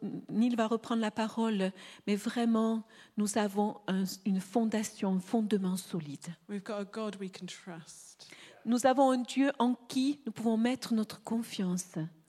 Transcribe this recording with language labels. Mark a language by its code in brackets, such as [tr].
[fr] Neil va reprendre la parole, mais vraiment, nous avons une fondation, un fondement solide. [en] We've got a God we can trust. [fr] Nous avons un Dieu en qui nous pouvons mettre notre confiance.